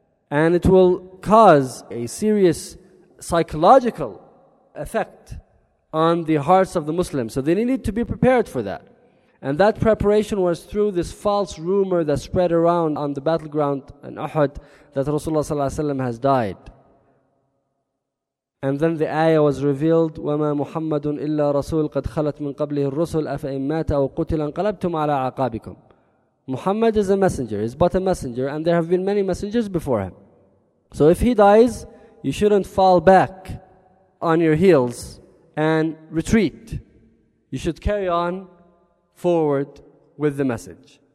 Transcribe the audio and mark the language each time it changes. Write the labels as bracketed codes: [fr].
[en] And it will cause a serious psychological effect on the hearts of the Muslims. So they needed to be prepared for that. And that preparation was through this false rumor that spread around on the battleground in Uhud that Rasulullah sallallahu alayhi wa sallam has died. And then the ayah was revealed, [ar] وَمَا مُحَمَّدٌ إِلَّا رَسُولٌ قَدْ خَلَتْ مِنْ قَبْلِهِ الرُّسُلُ أَفَإِنْ مَاتَ أَوْ قُتِلَ انْقَلَبْتُمْ عَلَىٰ عَقَابِكُمْ. [en] Muhammad is a messenger, he's but a messenger, and there have been many messengers before him. So if he dies, you shouldn't fall back on your heels and retreat. You should carry on forward with the message.